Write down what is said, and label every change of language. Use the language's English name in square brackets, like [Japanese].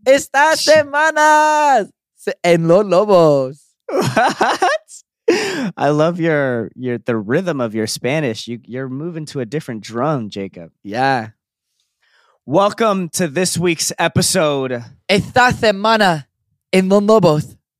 [Spanish] Esta semana en los Lobos. [English] What? I love the rhythm of your Spanish. You're moving to a different drum, Jacob. Yeah. Welcome to this week's episode. [Spanish] Esta semana en Los Lobos.